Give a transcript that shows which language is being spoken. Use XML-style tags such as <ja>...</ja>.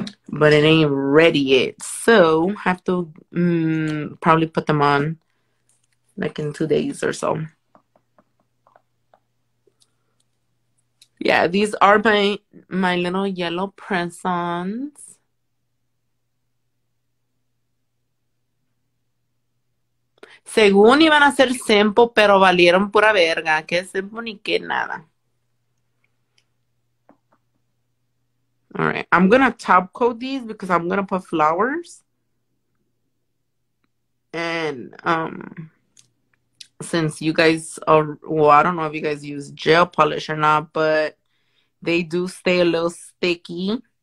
<en>But it ain't ready yet, so have to probably put them on like in 2 days or so. Yeah, these are my little yellow press-ons.</en> <es>Según iban a ser simple, pero valieron pura verga. Que simple ni que nada.</es> <en>All right, I'm gonna top coat these because I'm gonna put flowers. And since you guys are, well, I don't know if you guys use gel polish or not, but they do stay a little sticky.</en>